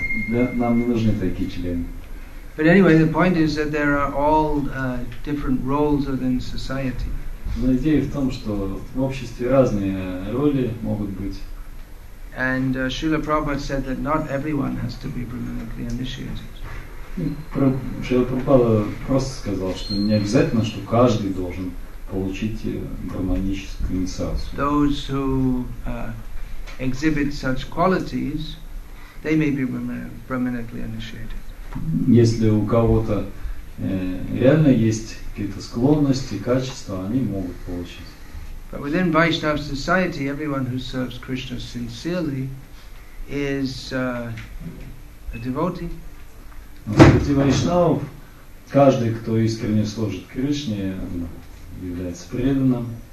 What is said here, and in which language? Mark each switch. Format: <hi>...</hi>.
<ru>Нам не нужны такие члены.</ru> <en>But anyway, the point is that there are all different roles within society.</en> <ru>Но идея в том, что в обществе разные роли могут быть.</ru> <en>And Srila Prabhupada said that not everyone has to be brahminically initiated.</en> <ru>Шрила Прабхупада просто сказал, что не обязательно, что каждый должен получить гармоническую инициацию.</ru> <en>Those who exhibit such qualities, they may be brahminically initiated.</en> <ru>Если у кого-то реально есть какие-то склонности, качества, они могут получить.</ru> <en>But within Vaishnava society, everyone who serves Krishna sincerely is a devotee.</en> <ru>Среди вайшнавов каждый, кто искренне служит Кришне, является преданным.</ru>